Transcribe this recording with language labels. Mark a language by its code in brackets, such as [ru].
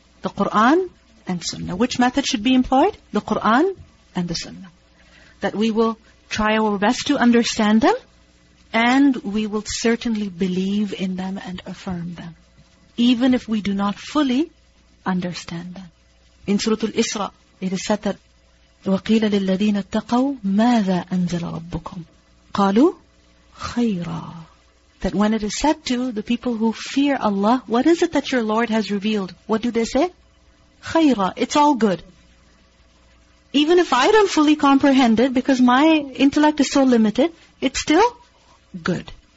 [en] The Qur'an and Sunnah. Which method should be employed? The Qur'an and the Sunnah. That we will try our best to understand them, and we will certainly believe in them and affirm them, even if we do not fully understand them. In Surah Al-Isra, it is said that, [ar] وَقِيلَ لِلَّذِينَ اتَّقَوْا مَاذَا أَنزَلَ رَبُّكُمْ قَالُوا خَيْرًا. [en] That when it is said to the people who fear Allah, what is it that your Lord has revealed? What do they say? خَيْرًا. It's all good. Even if I don't fully comprehend it, because my intellect is so limited, it's still good.